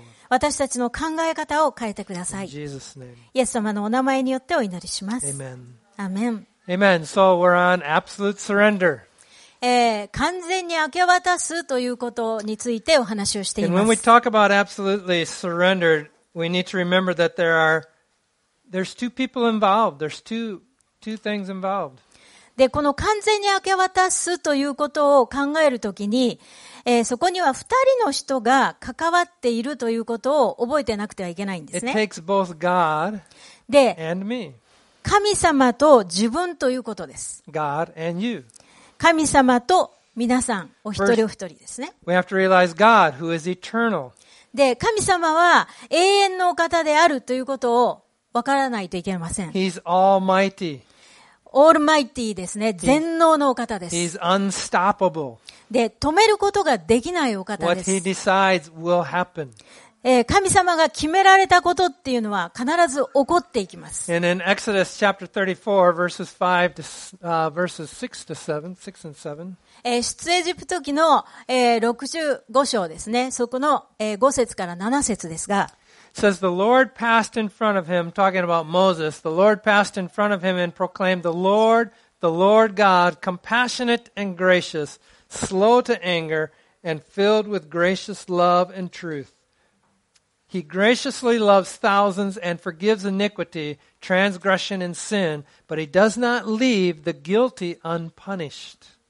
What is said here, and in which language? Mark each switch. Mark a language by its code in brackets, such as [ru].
[ja] 私たちの考え方を変えてください。イエス様のお名前によってお祈りします。アメン。 [en] アメン。So we're on absolute surrender. [ja] 完全に明け渡すということについてお話をしています。 [en] And when we talk about absolutely surrender, we need to remember that there's two people involved. There's two things involved. [ja] でこの完全に明け渡すということを考えるときに、そこには二人の人が関わっているということを覚えてなくてはいけないんですね。 [en] It takes both God and me. [ja] 神様と自分ということです。 [en] God and you. [ja] 神様と皆さん、お一人お一人ですね。 [en] First, we have to realize God, who is eternal. [ja] で、神様は永遠のお方であるということを分からないといけません。 [en] He's almighty. [ja] オールマイティですね。全能のお方です。 [en] He's unstoppable. [ja] で、止めることができないお方です。 [en] What he decides will happen. [ja] 神様が決められたことっていうのは必ず起こっていきます。 [en] And in Exodus chapter 34, verses 5 to, verses 6 and 7. [ja] 出エジプト記の65章ですね。そこの5節から7節ですが。 [en] Says the Lord passed in front of him, talking about Moses. The Lord passed in front of him and proclaimed, the Lord God, compassionate and gracious, slow to anger, and filled with gracious love and truth. He graciously loves thousands and forgives iniquity, transgression and sin, but he does not leave the guilty unpunished.